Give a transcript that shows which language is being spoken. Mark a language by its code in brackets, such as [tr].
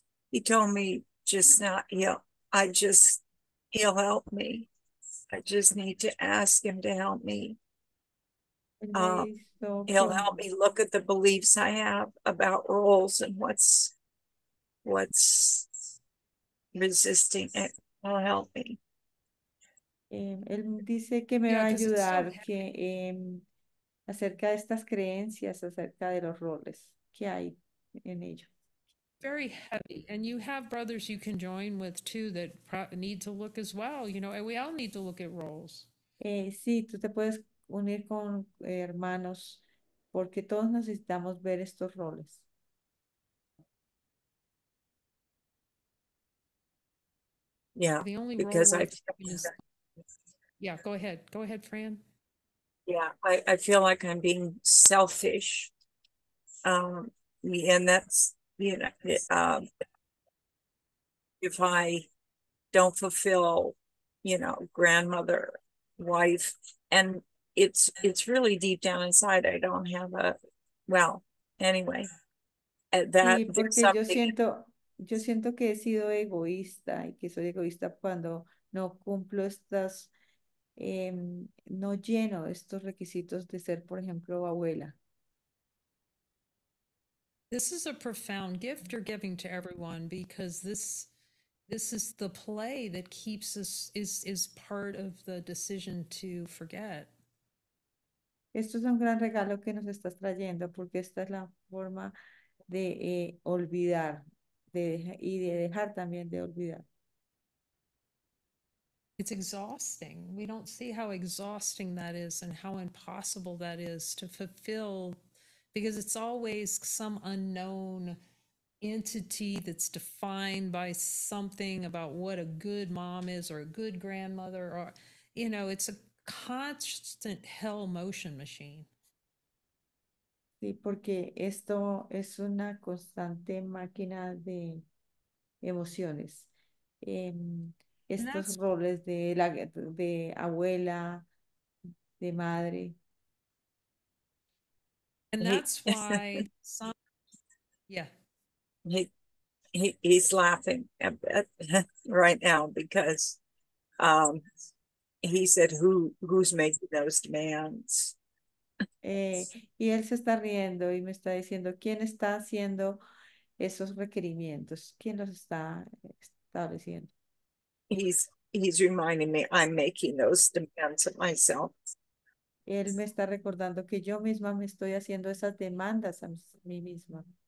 [en] He told me just not, he'll help me. I just need to ask him to help me. He'll help me look at the beliefs I have about roles and what's resisting it. He'll help me. [es] Él dice que me va a ayudar que acerca de estas creencias, acerca de los roles que hay. [en] In very heavy, and you have brothers you can join with too that need to look as well. You know, and we all need to look at roles. [es] Sí, tú te puedes unir con hermanos porque todos necesitamos ver estos roles. [en] Yeah, the only because role I feel is, yeah, go ahead, Fran. Yeah, I feel like I'm being selfish. And that's, if I don't fulfill, grandmother, wife, and it's really deep down inside, I don't have a, well, anyway, that. [es] Sí, porque yo siento que he sido egoísta y que soy egoísta cuando no cumplo estas, no lleno estos requisitos de ser, por ejemplo, abuela. [en] This is a profound gift you're giving to everyone because this is the play that keeps us is part of the decision to forget. [es] Esto es un gran regalo que nos estás trayendo porque esta es la forma de olvidar de dejar también de olvidar. [en] It's exhausting. We don't see how exhausting that is and how impossible that is to fulfill. Because it's always some unknown entity that's defined by something about what a good mom is or a good grandmother or, it's a constant hell motion machine. [es] Sí, porque esto es una constante máquina de emociones. Estos roles de abuela, de madre. [en] And that's why some, he's laughing right now because he said who's making those demands? [es] Y él se está riendo y me está diciendo quién está haciendo esos requerimientos, quién los está estableciendo. [en] He's reminding me I'm making those demands of myself. [es] Él me está recordando que yo misma me estoy haciendo esas demandas a mí misma.